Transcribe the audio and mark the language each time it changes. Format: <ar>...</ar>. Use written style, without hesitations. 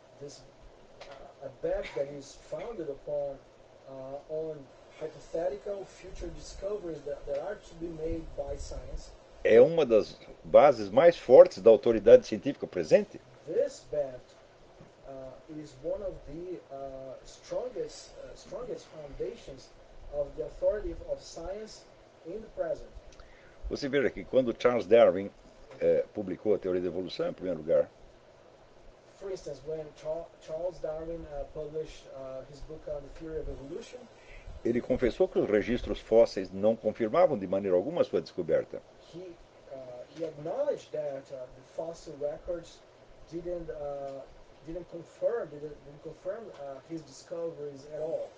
<en>This, a bet that is founded upon on hypothetical future discoveries that are to be made by science.</en> <pt>É uma das bases mais fortes da autoridade científica presente.</pt> <en>This bet is one of the strongest foundations of the authority of science in the present.</en> <pt>Você vê que quando Charles Darwin publicou a teoria da evolução em primeiro lugar.</pt> <en>For instance, when Charles Darwin published his book on the theory of evolution,</en> <pt>ele confessou que os registros fósseis não confirmavam de maneira alguma a sua descoberta.</pt> <en>He acknowledged that the fossil records didn't confirm his discoveries at all.</en>